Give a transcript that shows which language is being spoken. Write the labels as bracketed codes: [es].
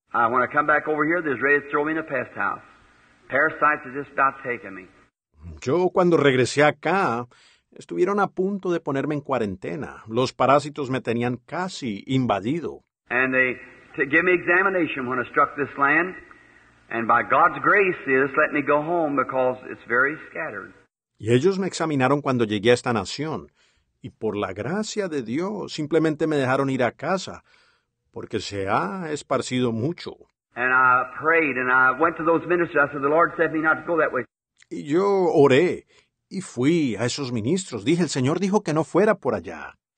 [en] When I come back over here, they're ready to throw me in a pest house. Parasites are just not taking me. [es] Yo cuando regresé acá, estuvieron a punto de ponerme en cuarentena. Los parásitos me tenían casi invadido. [en] And they gave me examination when I struck this land. And by God's grace, they just let me go home because it's very scattered. [es] Y ellos me examinaron cuando llegué a esta nación. Y por la gracia de Dios, simplemente me dejaron ir a casa porque se ha esparcido mucho. [en] And I prayed and I went to those ministers. I said, the Lord sent me not to go that way. [es] Y yo oré. Y fui a esos ministros. Dije, el Señor dijo que no fuera por allá.